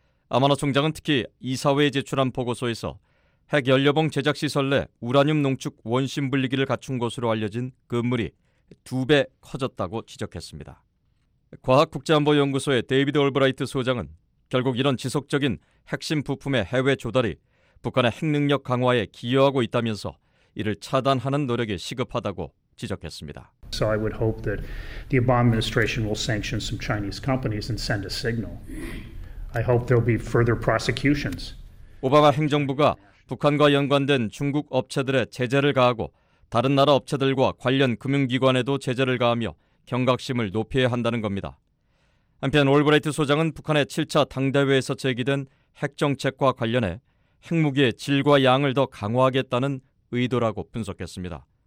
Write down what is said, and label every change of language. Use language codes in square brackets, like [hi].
[ko] 아마노 총장은 특히 이사회에 제출한 보고서에서 핵연료봉 제작시설 내 우라늄 농축 원심 분리기를 갖춘 것으로 알려진 건물이 두 배 커졌다고 지적했습니다. 과학국제안보연구소의 데이비드 올브라이트 소장은 결국 이런 지속적인 핵심 부품의 해외 조달이 북한의 핵능력 강화에 기여하고 있다면서 이를 차단하는 노력이 시급하다고 지적했습니다. [en] So I would hope that the Obama administration will sanction some Chinese companies and send a signal. I hope there'll be further prosecutions. [ko] 오바마 행정부가 북한과 연관된 중국 업체들의 제재를 가하고 다른 나라 업체들과 관련 금융기관에도 제재를 가하며 경각심을 높여야 한다는 겁니다. 한편 올브라이트 소장은 북한의 7차 당대회에서 제기된 핵정책과 관련해 핵무기의 질과 양을 더 강화하겠다는 의도라고 분석했습니다.